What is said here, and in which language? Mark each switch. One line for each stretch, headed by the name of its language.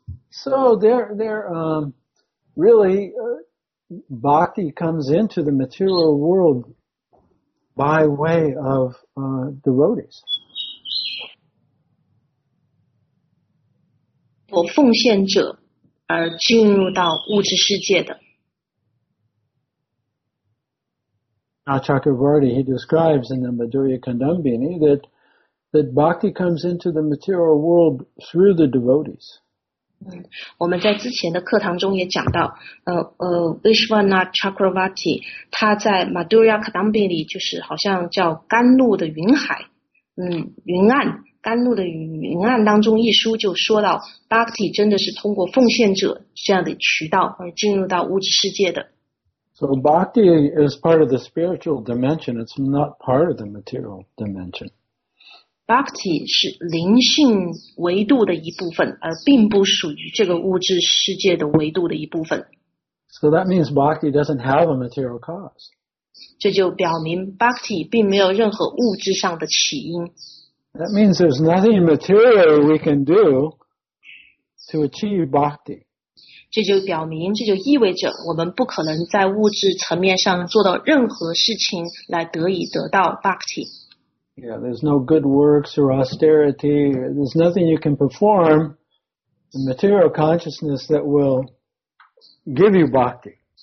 English: So they're bhakti comes into the material world by way of devotees.
Chinese: 我奉献者而进入到物质世界的。
English: Chakravarti, he describes in the Madhurya Kandambini that bhakti comes into the material world through the devotees.
Chinese: 我们在之前的课堂中也讲到，Vishwana Chakravarti， 他在 Madhurya Kadambi 里就是好像叫甘露的云海，云岸，甘露的云岸当中一书就说到 ，Bhakti 真的是通过奉献者这样的渠道而进入到物质世界的。
English: So Bhakti is part of the spiritual dimension. It's not part of the material dimension.
Chinese: Bhakti 是灵性维度的一部分，而并不属于这个物质世界的维度的一部分。
English: So that means Bhakti doesn't have a material cause.
Chinese: 这就表明 Bhakti 并没有任何物质上的起因。
English: That means there's nothing material we can do to achieve Bhakti.
Chinese: 这就表明，这就意味着我们不可能在物质层面上做到任何事情来得以得到 Bhakti。
English: Yeah, there's no good works or austerity. There's nothing you can perform in material consciousness that will give you Bhakti.